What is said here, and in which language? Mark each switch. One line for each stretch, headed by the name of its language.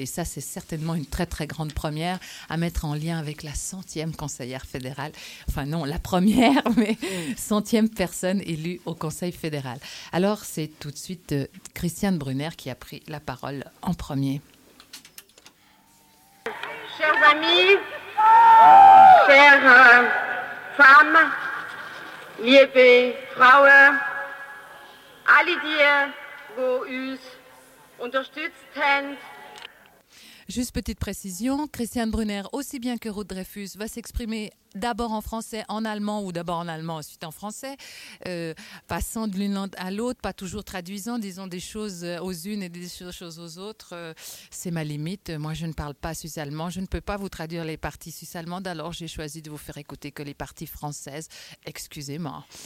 French: Et ça, c'est certainement une très, très grande première à mettre en lien avec la 100e conseillère fédérale. Enfin non, la première, mais 100e personne élue au Conseil fédéral. Alors, c'est tout de suite Christiane Brunner qui a pris la parole en premier. Chers amis, chères femmes,
Swiss German: liebe Frauen, alle die wo uns unterstützt haben.
French: Juste petite précision, Christiane Brunner, aussi bien que Ruth Dreyfus, va s'exprimer d'abord en français, en allemand, ou d'abord en allemand, ensuite en français, passant de l'une à l'autre, pas toujours traduisant, disant des choses aux unes et des choses aux autres. C'est ma limite, moi je ne parle pas suisse allemand, je ne peux pas vous traduire les parties suisse allemandes, alors j'ai choisi de vous faire écouter que les parties françaises, excusez-moi.